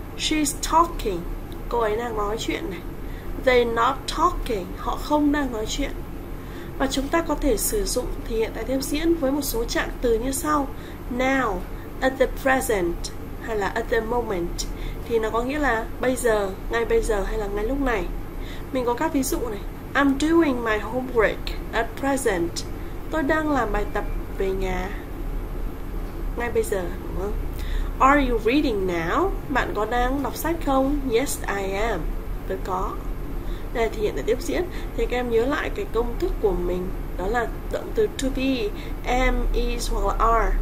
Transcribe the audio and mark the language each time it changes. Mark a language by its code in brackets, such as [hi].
[en] She's talking. [vi] Cô ấy đang nói chuyện này. [en] They're not talking. [vi] Họ không đang nói chuyện. Và chúng ta có thể sử dụng thì hiện tại tiếp diễn với một số trạng từ như sau. [en] Now, at the present, [vi] hay là [en] at the moment, [vi] thì nó có nghĩa là bây giờ, ngay bây giờ hay là ngay lúc này. Mình có các ví dụ này. [en] I'm doing my homework at present. [vi] Tôi đang làm bài tập về nhà ngay bây giờ, đúng không? [en] Are you reading now? [vi] Bạn có đang đọc sách không? [en] Yes, I am. [vi] Tôi có. Đây thì hiện tại tiếp diễn. Thì các em nhớ lại cái công thức của mình. Đó là động từ to be, am, is hoặc là are.